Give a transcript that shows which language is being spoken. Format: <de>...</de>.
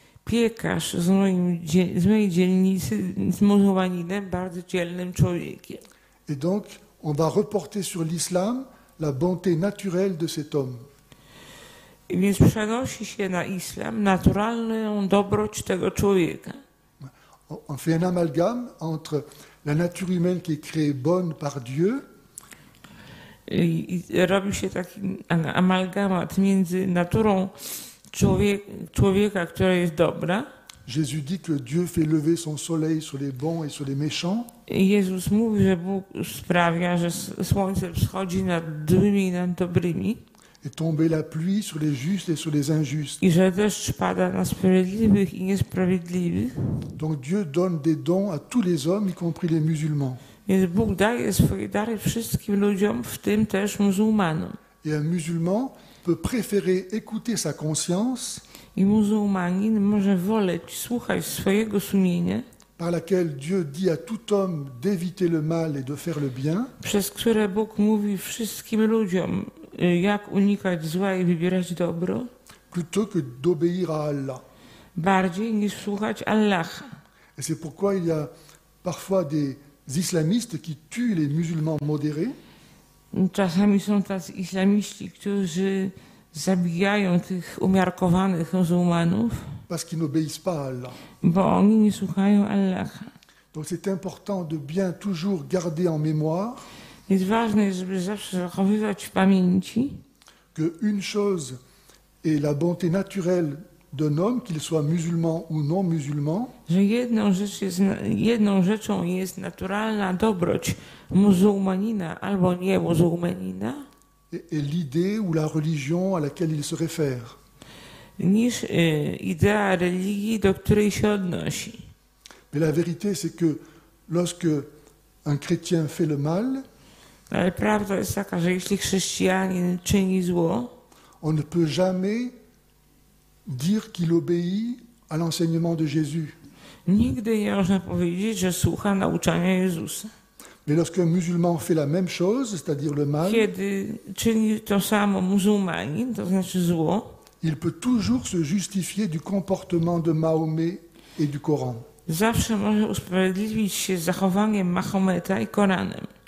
<pl>piekarz z mojej dzielnicy, z muzułmaninem, bardzo dzielnym człowiekiem.</pl> <fr>Et donc, on va reporter sur l'islam la bonté naturelle de cet homme.</fr> <pl>I więc przenosi się na islam naturalną dobroć tego człowieka.</pl> <fr>On fait un amalgame entre la nature humaine qui est créée bonne par Dieu.</fr> <pl>I robi się taki amalgamat między naturą człowieka, która jest dobra.</pl> <fr>Jésus dit que Dieu fait lever son soleil sur les bons et sur les méchants.</fr> <pl>Jezus mówi, że Bóg sprawia, że słońce wschodzi nad złymi i nad dobrymi.</pl> <fr>Et tomber la pluie sur les justes et sur les injustes.</fr> <pl>I że deszcz pada na sprawiedliwych i niesprawiedliwych.</pl> <fr>Donc Dieu donne des dons à tous les hommes, y compris les musulmans.</fr> <pl>Więc Bóg daje swoje dary wszystkim ludziom, w tym też muzułmanom.</pl> <fr>Et un musulman peut préférer écouter sa conscience.</fr> <pl>I muzułmanin może woleć słuchać swojego sumienia.</pl> <fr>Par laquelle Dieu dit à tout homme d'éviter le mal et de faire le bien.</fr> <pl>Przez które Bóg mówi wszystkim ludziom, jak unikać zła i wybierać dobro.</pl> <fr>Plutôt que d'obéir à Allah.</fr> <pl>Bardziej niż słuchać Allaha.</pl> <fr>Et c'est pourquoi il y a parfois des islamistes qui tuent les musulmans modérés.</fr> <pl>Czasami są tacy islamiści, którzy zabijają tych umiarkowanych muzułmanów.</pl> <fr>Parce qu'ils n'obéissent pas à Allah.</fr> <pl>Bo oni nie słuchają Allaha.</pl> <fr>Donc c'est important de bien toujours garder en mémoire.</fr> <pl>Jest ważne, żeby zawsze zachowywać w pamięci,</pl> <fr>que une chose est la bonté naturelle d'un homme, qu'il soit musulman ou non musulman.</fr> <pl>Że jedną rzeczą jest naturalna dobroć muzułmanina albo nie muzułmanina.</pl> <fr>Et l'idée ou la religion à laquelle il se réfère.</fr> <pl>Niż idea religii, do której się odnosi.</pl> <fr>Mais la vérité, c'est que lorsque un chrétien fait le mal,</fr> <pl>ale prawda jest taka, że jeśli chrześcijanin czyni zło,</pl> <fr>on ne peut jamais dire qu'il obéit à l'enseignement de Jésus.</fr> <pl>Nigdy nie można powiedzieć, że słucha nauczania Jezusa.</pl> <fr>Mais lorsque un musulman fait la même chose, c'est-à-dire le mal,</fr> <pl>kiedy czyni to samo muzułmanin, to znaczy zło,</pl> <fr>il peut toujours se justifier du comportement de Mahomet et du Coran.</fr> <pl>Zawsze może usprawiedliwić się zachowaniem Mahometa i Koranem.</pl>